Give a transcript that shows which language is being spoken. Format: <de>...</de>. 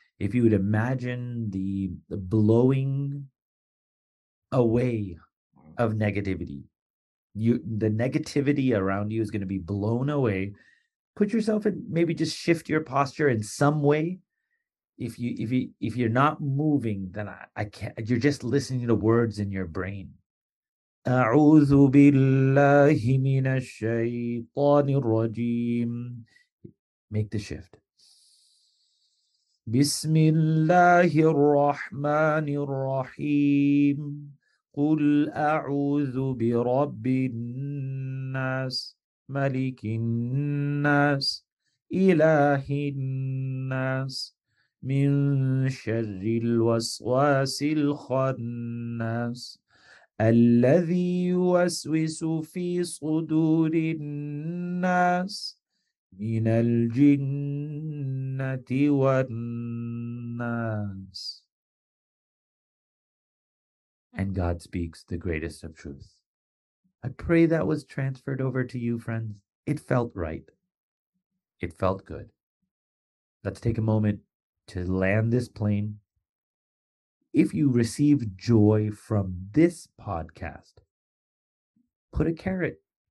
<en>If you would imagine the blowing away of negativity, the negativity around you is going to be blown away. Put yourself in, maybe just shift your posture in some way. If you're not moving, then I can't, you're just listening to words in your brain.</en> <ar>أعوذ بالله من الشيطان الرجيم.</ar> <en>Make the shift.</en> <ar>بسم الله الرحمن الرحيم. قل أعوذ برب الناس ملك الناس إله الناس من شر الوسواس الخناس الذي يوسوس في صدور الناس من الجنة والناس.</ar> <en>And God speaks the greatest of truth. I pray that was transferred over to you, friends. It felt right. It felt good. Let's take a moment to land this plane. If you receive joy from this podcast, put a carrot.</en>